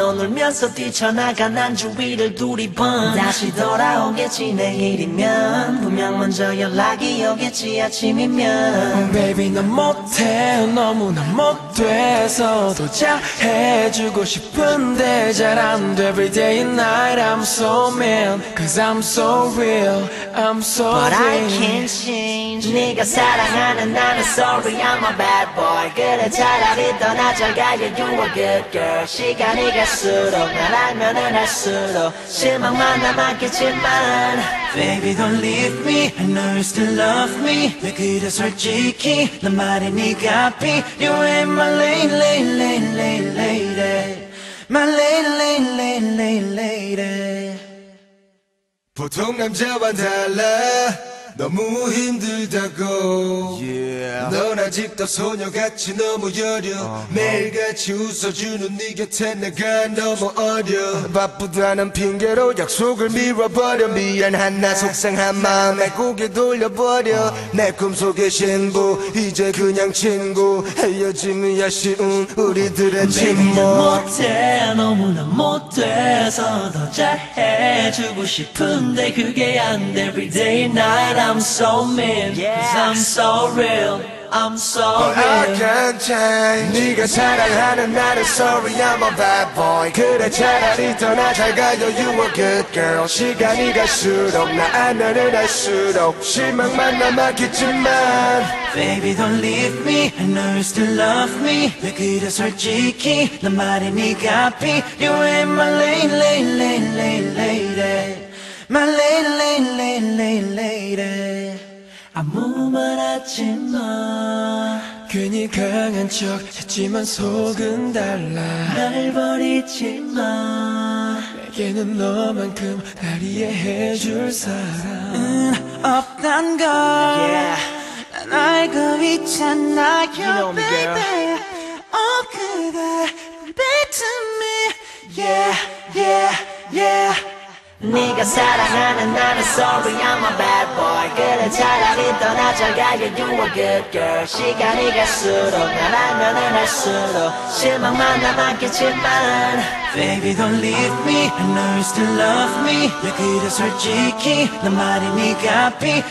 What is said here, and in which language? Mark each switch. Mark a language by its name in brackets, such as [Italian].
[Korean] 넌 울면서 뛰쳐나가 난 주위를 두리번. 다시 돌아오겠지 내일이면. 분명 먼저 연락이 오겠지 아침이면. [English] Oh, baby [Korean] 난 못해 너무나 못돼서 도착해 해주고 싶은데 잘 안 돼. [English] Every day and night I'm so mean. Cause I'm so real, I'm so real. But I can't change. [Korean] 네가 사랑하는 나는 [English] sorry I'm a bad boy. [Korean] 그래 차라리 떠나 잘 가게. [English] You a good girl. [Korean] 시간이 갈수록 날 알면은 할수록 실망만 남았겠지만. [English] Baby don't leave me. I know you still love me. [Korean] 왜 그래 솔직히 난 말해 네가 피. [English] You ain't my lady, lady, lady, lady, lady. My lady, lady, lady, lady, lady. [Korean] 보통 남자와 달라 너무 힘들다고. Yeah. 넌 아직도 소녀같이 너무 여려. Uh-huh. 매일같이 웃어주는 네 곁에 내가 너무 어려. 바쁘다는 핑계로 약속을 미뤄버려. 미안한 나 속상한 마음에 고개 돌려버려. Uh-huh. 내 꿈속의 신부 이제 그냥 친구. 헤어짐이 아쉬운 우리들의 침묵. 내가 못해 너무나 못돼서 더 잘해주고 싶은데 그게 안 돼. [English] Everyday night I'm so mean, cause I'm so real, I'm so real. But I can't change. [Korean] 네가 사랑하는 나를 [English] sorry I'm a bad boy. [Korean] 그래 차라리 떠나 잘 가요. [English] You a good girl. [Korean] 시간이 갈수록 나 알면은 할수록 실망만 남았겠지만. [English] Baby don't leave me. I know you still love me. [Korean] 왜 그래 솔직히 난 말해 네가 피. [English] You ain't my lady, lady, lady, lady, lady. My lady, lady, lady, lady, lady. [Korean] 아무 말 하지 마. 괜히 강한 척 했지만 속은 달라. 날 버리지 마. 내게는 너만큼 날 이해해줄 사람 없단 걸. Yeah. 난 알고 있잖아요. [English] You know me, baby. Oh, 그대 baby to me. Yeah, yeah, yeah. [Korean] 네가 사랑하는 나는 [English] sorry I'm a bad boy. [Korean] 그래 차라리 떠나 잘 가게. [English] You a good girl. [Korean] 시간이 갈수록 날 알면은 할수록 실망만 남았겠지만. [English] Baby don't leave me. I know you still love me. [Korean] 왜 그래 솔직히 난 말해 네가 피.